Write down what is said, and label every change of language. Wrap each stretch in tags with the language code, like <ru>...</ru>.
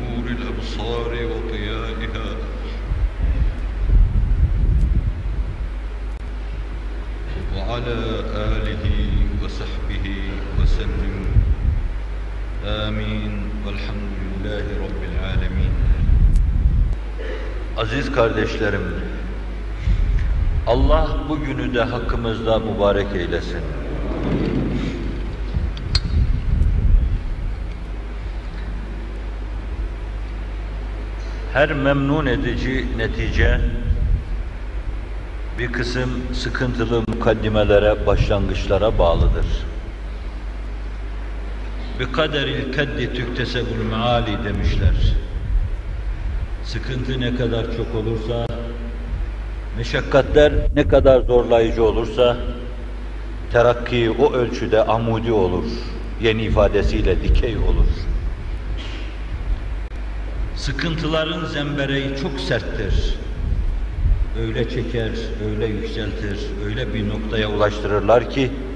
<ar>الأبصار وضيائها، وعلى آله وصحبه وسلم. آمين والحمد لله رب العالمين.</ar> <tr>Aziz kardeşlerim, Allah bu günü de hakkımızda mübarek eylesin. Her memnun edici netice, bir kısım sıkıntılı mukaddimelere, başlangıçlara bağlıdır.</tr> <ar>بِقَدَرِ الْكَدِّ تُكْتَسَبُ الْمَعَالِي</ar> <tr>demişler. Sıkıntı ne kadar çok olursa, meşakkatler ne kadar zorlayıcı olursa, terakki o ölçüde amudi olur, yeni ifadesiyle dikey olur. Sıkıntıların zembereği çok serttir. Öyle çeker, öyle yükseltir, öyle bir noktaya ulaştırırlar ki</tr>